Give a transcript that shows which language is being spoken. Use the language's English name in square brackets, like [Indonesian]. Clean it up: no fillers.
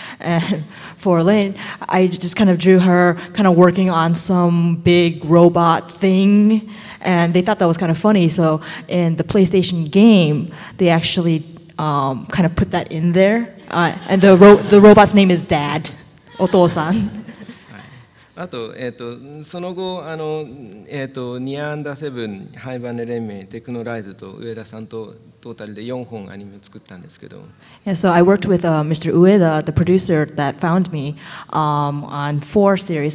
[English] And for Lane, I just kind of drew her kind of working on some big robot thing, and they thought that was kind of funny. So in the PlayStation game, they actually kind of put that in there. And the robot's name is Dad, Oto-san. [Japanese] あと、その後ニアアンダーセブン、ハイバネ連盟、テクノライズと上田さんとトータルで4本アニメを作ったんですけど。 [English] Yeah, so I worked with Mr. Ueda, the producer that found me, on four series.